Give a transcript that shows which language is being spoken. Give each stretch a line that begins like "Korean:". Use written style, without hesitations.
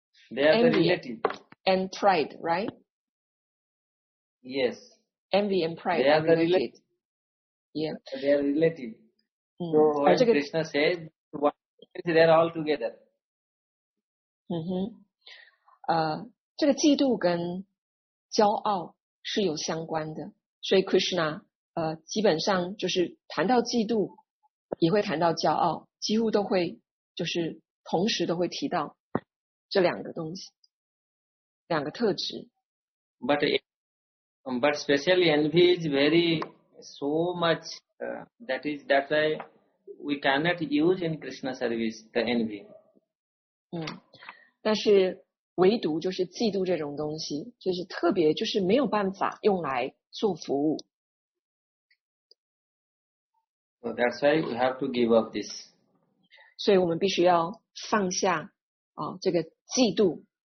English: They are envy, the relative. And pride, right? Yes. Envy and pride are related. They are related. So when Krishna says, they are all together.
Chinese: 这个嫉妒跟骄傲是有相关的。所以 Krishna, 基本上就是谈到嫉妒也会谈到骄傲，几乎都会就是同时都会提到这两个东西，两个特质。
English: But especially envy is very so much that's why we cannot use in Krishna service the envy.
Chinese: 但是唯独就是嫉妒这种东西，就是特别就是没有办法用来做服务。
English: So that's why we have to give up this.
Chinese: 所以我们必须要放下这个嫉妒。